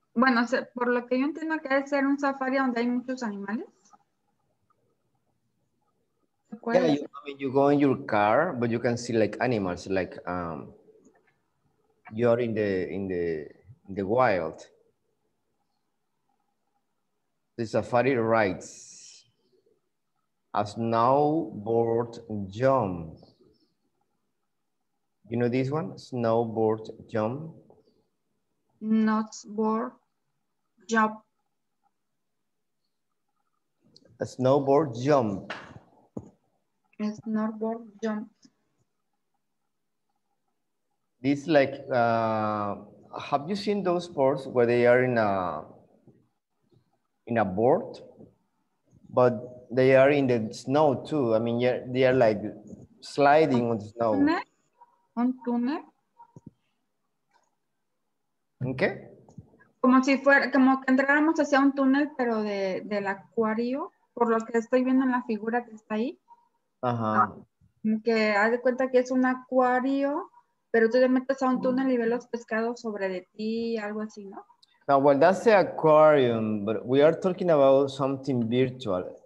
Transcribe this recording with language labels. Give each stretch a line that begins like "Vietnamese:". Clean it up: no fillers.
Spanish: Bueno, por lo que yo entiendo que debe ser un safari donde hay muchos animales.
English: Yeah, you go in your car, but you can see like animals, like you're in the wild. The safari rides, a snowboard jump. You know this one, snowboard jump. Not board. Jump. A snowboard jump. A snowboard jump. This like, have you seen those sports where they are in a board, but they are in the snow too? I mean, yeah, they are like sliding on snow. On tunnel. Okay.
Spanish: Como si fuera, como que entráramos hacia un túnel, pero del acuario, por lo que estoy viendo en la figura que está ahí. Ajá. Que haz de cuenta que es un acuario, pero tú te metes a un túnel y ves los pescados sobre de ti, algo así, ¿no?
English: Now, well, that's the aquarium, but we are talking about something virtual.